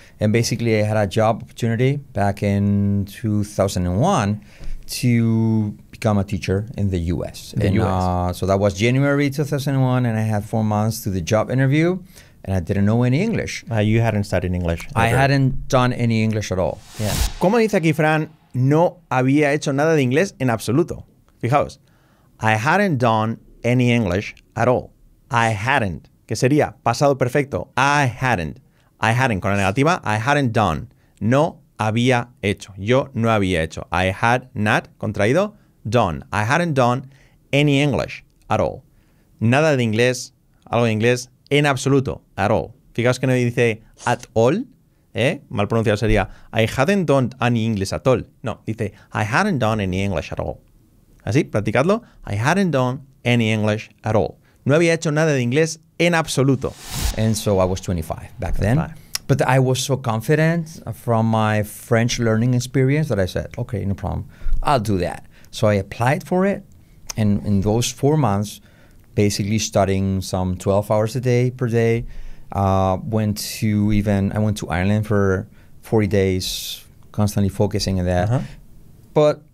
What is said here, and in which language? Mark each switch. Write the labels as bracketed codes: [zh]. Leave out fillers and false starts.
[en] And basically, I had a job opportunity back in 2001 to become a teacher in the U.S. So that was January 2001, and I had 4 months to the job interview, and I didn't know any English. You hadn't studied English. Ever. I hadn't done any English at all. Yeah. [es] Como dice aquí Fran, no había hecho nada de inglés en absoluto. Fijaos, [en] I hadn't done any English at all. I hadn't. [es] ¿Qué sería? Pasado perfecto. [en] I hadn't. I hadn't, [es] con la negativa, [en] I hadn't done. [es] No había hecho. Yo no había hecho. [en] I had not, [es] contraído, [en] done. I hadn't done any English at all. [es] Nada de inglés, algo de inglés, en absoluto, [en] at all. [es] Fijaos que no dice [en] at all, [es] mal pronunciado sería [en] I hadn't done any English at all. [es] No, dice [en] I hadn't done any English at all. [es] Así, practicadlo. [en] I hadn't done any English at all. [es] No había hecho nada de inglés en absoluto. [en] And so I was 25 back then. But I was so confident from my French learning experience that I said, okay, no problem. I'll do that. So I applied for it. And in those 4 months, basically studying some 12 hours a day per day, I went to Ireland for 40 days, constantly focusing on that. Uh-huh.